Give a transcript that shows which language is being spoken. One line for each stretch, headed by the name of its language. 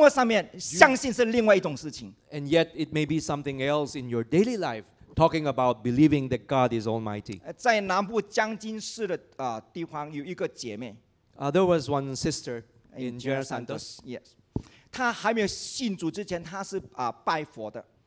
Chinese: 在实际的生活上面相信是另外一种事情。
English: And yet it may be something else in your daily life. Talking about believing that God is Almighty.
Chinese: 在南部江津市的地方有一个姐妹。
English: There was one sister in Jerry Santos. Yes.
Chinese: 她还没有信主之前，她是拜佛的。